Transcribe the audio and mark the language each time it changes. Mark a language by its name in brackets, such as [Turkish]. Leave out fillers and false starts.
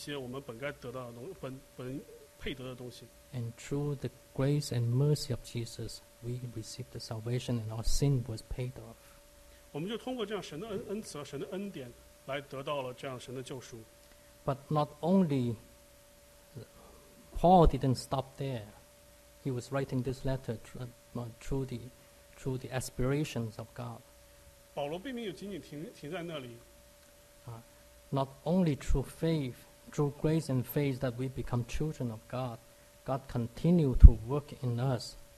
[Chinese] 什么叫恩慈呢？就是说恩慈就是说我们去得到一些我们不得到一些我们本该得到的东西、本配得的东西。 [English] And through the grace and mercy of Jesus, we receive the salvation and our sin was paid off. [Chinese] 我们就通过这样神的恩慈和神的恩典来得到了这样神的救赎。 [English] But not only Paul didn't stop there. He was writing this letter through the aspirations of God. [Chinese] 保罗并没有仅仅停在那里。 [English] Not only through faith, through grace and faith that we become children of God, God continued to work in us.